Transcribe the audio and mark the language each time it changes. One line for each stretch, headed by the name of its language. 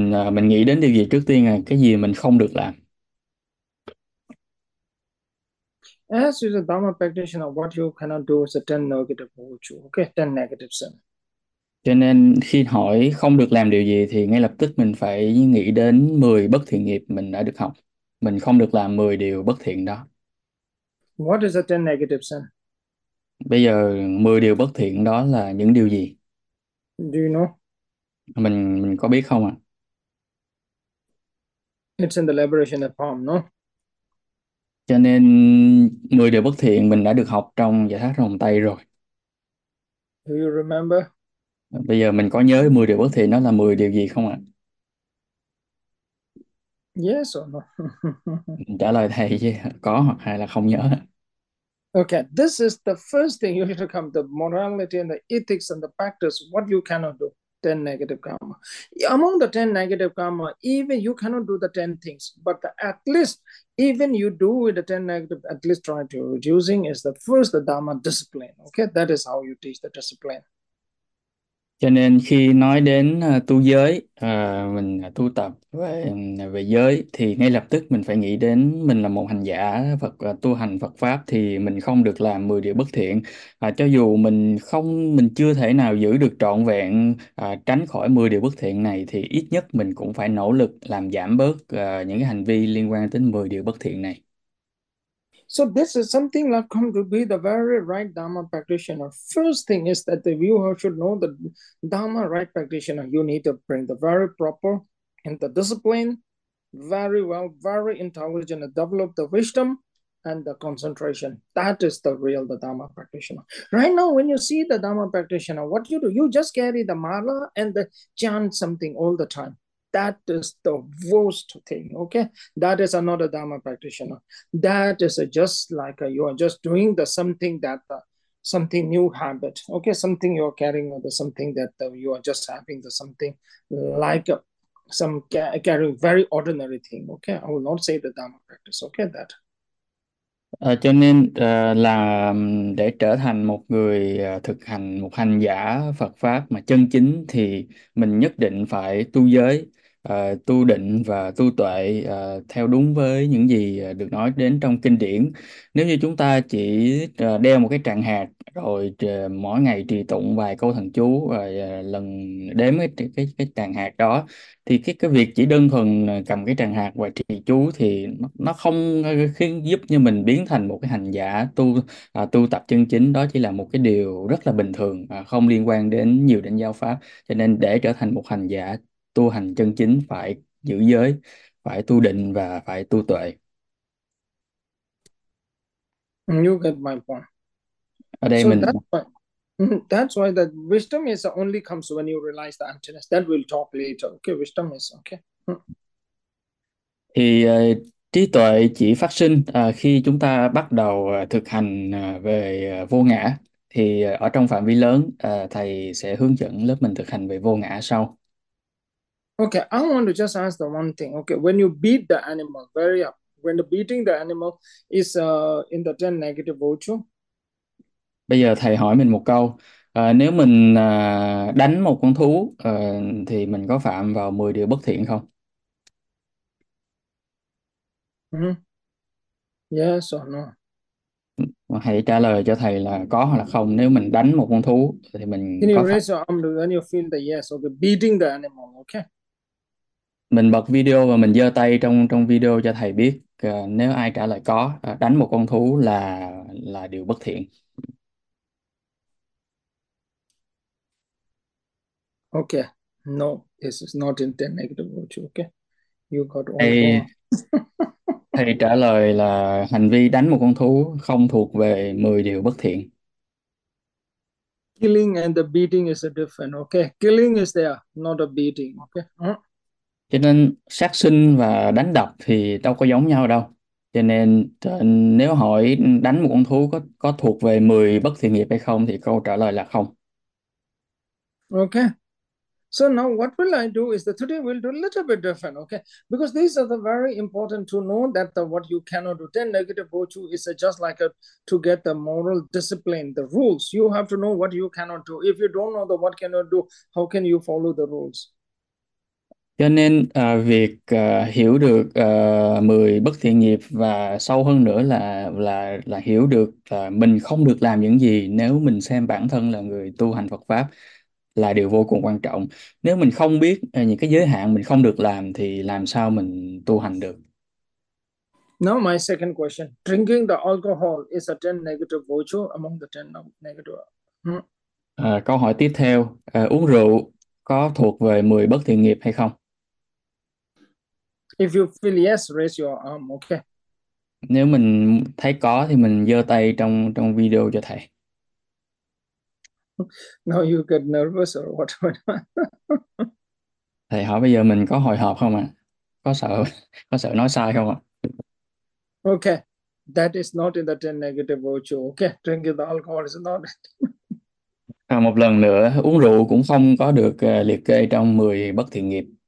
Vietnamese: Mình nghĩ đến điều gì trước tiên là cái gì mình không được làm?
English: As is a Dharma practitioner, what you cannot do is attend negative virtue, okay? Attend negative sin.
Vietnamese: Cho nên khi hỏi không được làm điều gì thì ngay lập tức mình phải nghĩ đến 10 bất thiện nghiệp mình đã được học. Mình không được làm 10 điều bất thiện đó.
English: What is attend negative sin?
Vietnamese: Bây giờ 10 điều bất thiện đó là những điều gì?
English: Do
Vietnamese: Mình có biết không ạ?
English: know? It's in the liberation of palm, no?
Vietnamese: Cho nên 10 điều bất thiện mình đã được học trong giải thoát vòng tay rồi.
English: Do
Vietnamese: Bây giờ mình có nhớ 10 điều bất thiện nó là 10 điều gì không ạ?
English: remember? Yes or
Vietnamese: Mình trả lời thầy chứ, có hoặc hay là không nhớ.
English: Okay, this is the first thing you need to come, the morality and the ethics and the practice, what you cannot do, 10 negative karma. Among the 10 negative karma, even you cannot do the 10 things, but at least even you do with the 10 negative, at least try to reducing is the first the Dharma discipline. Okay, that is how you teach the discipline.
Vietnamese: Cho nên khi nói đến tu giới, mình tu tập về giới thì ngay lập tức mình phải nghĩ đến mình là một hành giả Phật tu hành Phật pháp thì mình không được làm 10 điều bất thiện. Cho dù mình chưa thể nào giữ được trọn vẹn tránh khỏi 10 điều bất thiện này thì ít nhất mình cũng phải nỗ lực làm giảm bớt những cái hành vi liên quan đến 10 điều bất thiện này.
English: So this is something that come to be the very right Dharma practitioner. First thing is that the viewer should know the Dharma right practitioner. You need to bring the very proper and the discipline, very well, very intelligent, and develop the wisdom and the concentration. That is the real the Dharma practitioner. Right now, when you see the Dharma practitioner, what you do? You just carry the mala and the chant something all the time. That is the worst thing, okay? That is another Dharma practitioner. That is just like you are just doing the something that something new habit, okay? Something you are carrying or the something that you are just having the something like some ca carrying very ordinary thing, okay? I will not say the Dharma practice, okay? That.
Vietnamese: Cho nên là để trở thành một người thực hành một hành giả Phật pháp mà chân chính thì mình nhất định phải tu giới, tu định và tu tuệ theo đúng với những gì được nói đến trong kinh điển. Nếu như chúng ta chỉ đeo một cái tràng hạt rồi mỗi ngày trì tụng vài câu thần chú và lần đếm cái tràng hạt đó thì cái việc chỉ đơn thuần cầm cái tràng hạt và trì chú thì nó không khiến giúp như mình biến thành một cái hành giả tu tu tập chân chính. Đó chỉ là một cái điều rất là bình thường, không liên quan đến nhiều đến giáo pháp. Cho nên để trở thành một hành giả tu hành chân chính phải giữ giới, phải tu định và phải tu tuệ.
English: You get my point.
Vietnamese: Ở đây
English: So
Vietnamese: mình
English: that's why that wisdom is only comes when you realize the emptiness. That we'll talk later. Okay, wisdom is okay.
Vietnamese: thì trí tuệ chỉ phát sinh khi chúng ta bắt đầu thực hành về vô ngã. Thì ở trong phạm vi lớn, thầy sẽ hướng dẫn lớp mình thực hành về vô ngã sau.
English: Okay, I want to just ask the one thing. Okay, when you beat the animal, very up. When the beating the animal is in the 10 negative virtue.
Vietnamese: Bây giờ thầy hỏi mình một câu, nếu mình đánh một con thú thì mình có phạm vào 10 điều bất thiện không?
English: Yes or
Vietnamese: Hãy trả lời cho thầy là có hoặc là không, nếu mình đánh một con thú thì mình có
English: Can you
Vietnamese: phạm.
English: raise your arm when you feel the yes or the beating the animal, okay?
Vietnamese: Mình bật video và mình giơ tay trong trong video cho thầy biết nếu ai trả lời có, đánh một con thú là điều bất thiện.
English: Okay, no, this is not in 10 negative virtue. Okay, you got all
Vietnamese: Thầy
English: wrong. Okay,
Vietnamese: trả lời là hành vi đánh một con thú không thuộc về 10 điều bất thiện.
English: the beating is a different. Okay, killing is there, not a beating. Okay.
Vietnamese: Cho nên sát sinh và đánh đập thì đâu có giống nhau đâu. Cho nên nếu hỏi đánh một con thú có thuộc về 10 bất thiện nghiệp hay không thì câu trả lời là không.
English: Okay. So now what will I do is that today we'll do a little bit different, okay? Because these are the very important to know that the what you cannot do. 10 negative virtue is just like a to get the moral discipline, the rules. You have to know what you cannot do. If you don't know the what cannot do, how can you follow the rules?
Vietnamese: Cho nên việc hiểu được 10 bất thiện nghiệp và sâu hơn nữa là hiểu được mình không được làm những gì nếu mình xem bản thân là người tu hành Phật pháp là điều vô cùng quan trọng. Nếu mình không biết những cái giới hạn mình không được làm thì làm sao mình tu hành được?
English: Now my second question. Drinking the alcohol is a 10 negative virtue among the 10 negative.
Vietnamese: Câu hỏi tiếp theo, uống rượu có thuộc về 10 bất thiện nghiệp hay không?
English: If you feel yes, raise your arm. Okay.
Vietnamese: Nếu mình thấy có thì mình giơ tay trong trong video cho thầy.
English: Now you get nervous or what?
Vietnamese: Thầy hỏi bây giờ mình có hồi hộp không ạ? À? Có sợ nói sai không ạ? À?
English: Okay, that is not in the 10 negative virtue. Okay, drinking the alcohol is not it.
Vietnamese: À, một lần nữa, uống rượu cũng không có được liệt kê trong 10 bất thiện nghiệp.